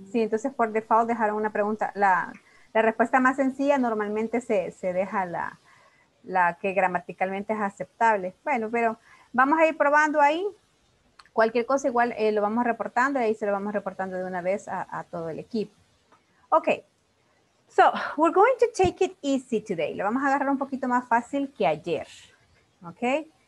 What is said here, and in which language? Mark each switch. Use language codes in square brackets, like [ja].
[es] Sí, entonces por default dejaron una pregunta, la respuesta más sencilla normalmente se deja la que gramaticalmente es aceptable. Bueno, pero vamos a ir probando ahí. Cualquier cosa igual lo vamos reportando y ahí se lo vamos reportando de una vez a todo el equipo. Ok. [en] So, we're going to take it easy today. [es] Lo vamos a agarrar un poquito más fácil que ayer. Ok.